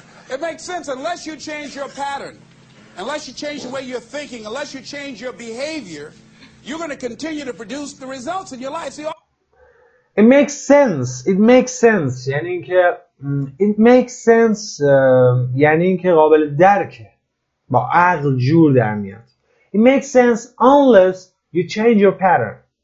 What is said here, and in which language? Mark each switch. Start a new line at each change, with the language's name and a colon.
English: It makes sense unless you change your pattern. Unless you change the way you're thinking, unless you change your behavior, you're going to continue to produce the results in your life. It makes sense.
Persian: یعنی اینکه
English: it makes sense
Persian: یعنی اینکه قابل درکه. با عقل جور در میاد.
English: It makes sense unless you change your pattern.